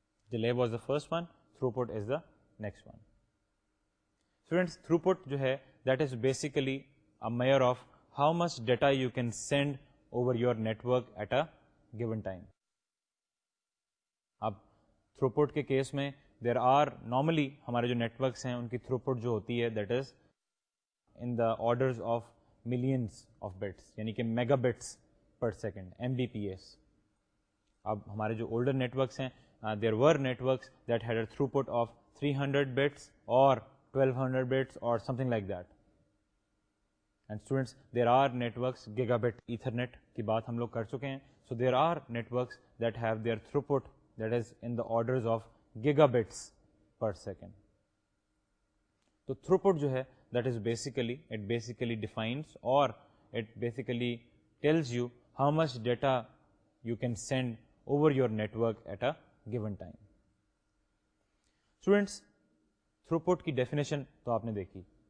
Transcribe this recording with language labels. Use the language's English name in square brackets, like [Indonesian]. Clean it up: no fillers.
[English] Delay was the first one, throughput is the next one. Students, throughput جو ہے that is basically a measure of how much data you can send over your network at a given time. [Urdu] اب through پٹ کے case میں [English] there are normally [Urdu] ہمارے جو net works ہیں ان کی through پٹ جو ہوتی ہے [English] that is in the orders of millions of bits, [Urdu] یعنی کہ mega bits per second, M B P S. اب ہمارے جو [English] Older networks ہیں there were networks that had a throughput of 300 bits اور 1200 bits اور something like that. And students, there are networks, gigabit ethernet [Urdu] کی بات ہم لوگ کر چکے ہیں, [English] So there are networks that have their throughput that is in the orders of gigabits per second. So throughput [Urdu] jo hai, [English] that is basically, it basically defines or it basically tells you how much data you can send over your network at a given time. [Urdu] Students, throughput ki definition to aapne dekhi.